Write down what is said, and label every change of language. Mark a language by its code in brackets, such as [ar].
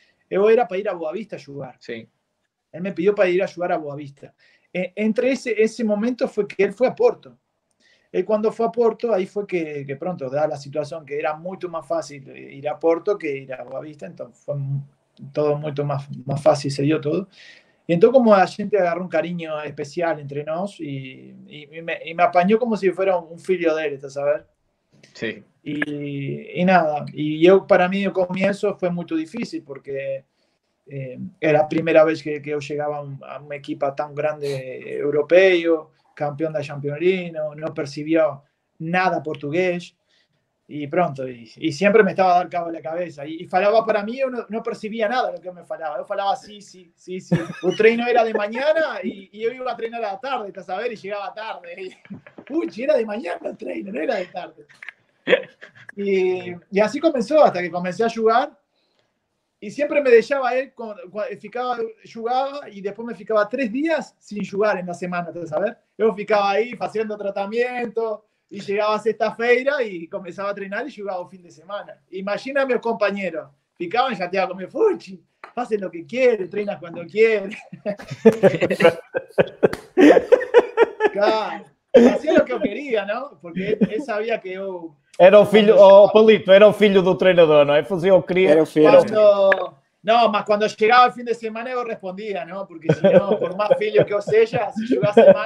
[pt] Eu era para ir a Boa Vista a jogar. Sim. Ele me pediu para ir a jogar a Boa Vista. [es] Entre ese momento fue que él fue a Porto. Y cuando fue a Porto, ahí fue que pronto, dada la situación, que era mucho más fácil ir a Porto que ir a Boa Vista. Entonces fue todo mucho más fácil, se dio todo. Y entonces como la gente agarró un cariño especial entre nos y me apañó como si fuera un filho de él, [pt] ¿estás a saber? [es] Sí. Y nada. Y yo, para mí, el comienzo fue muy difícil porque... [pt] era a primeira vez que eu chegava a uma equipa tão grande europeia, campeão da Champions League, não percebia nada português e pronto, e sempre me estava a dar cabo na cabeça e falava para mim, eu não percebia nada do que me falava, eu falava sim, o treino era de manhã e eu ia treinar à tarde, tá saber, e chegava tarde, era de manhã o treino, não era de tarde, e assim começou, até que comecei a jogar. [es] Y siempre me dejaba él, jugaba y después me ficaba 3 días sin jugar en la semana, ¿sabes? Yo ficaba ahí haciendo tratamiento y llegaba a sexta-feira y comenzaba a entrenar y jugaba el fin de semana. Imagina a mis compañeros, ficaban chateados con mi Fuchi, haces lo que quieres, treinas cuando quieres. Claro, hacía lo que yo quería, ¿no? Porque él sabía que yo... [pt] Era o filho, Palito, era o filho do treinador, não é? Fazia o que queria. Não, mas quando chegava o fim de semana eu respondia, não? Porque senão, por mais filho que eu seja, se jogasse mal,